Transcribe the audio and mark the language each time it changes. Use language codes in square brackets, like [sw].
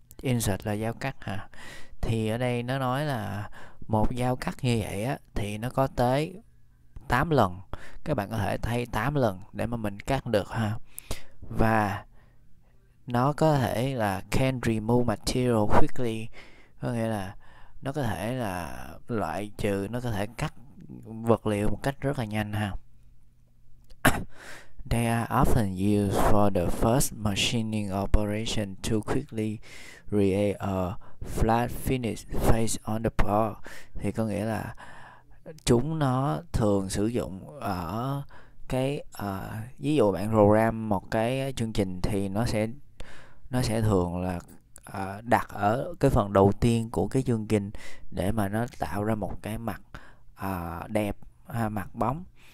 [vi] Insert là dao cắt ha. Thì ở đây nó nói là một dao cắt như vậy á thì nó có tới 8 lần, các bạn có thể thay 8 lần để mà mình cắt được ha. Và nó có thể là [en] can remove material quickly, [vi] có nghĩa là nó có thể là loại trừ, nó có thể cắt vật liệu một cách rất là nhanh ha. [en] They are often used for the first machining operation to quickly create a flat finish face on the board. [vi] Thì có nghĩa là chúng nó thường sử dụng ở cái ví dụ bạn program một cái chương trình thì nó sẽ thường là đặt ở cái phần đầu tiên của cái chương trình để mà nó tạo ra một cái mặt đẹp ha, mặt bóng.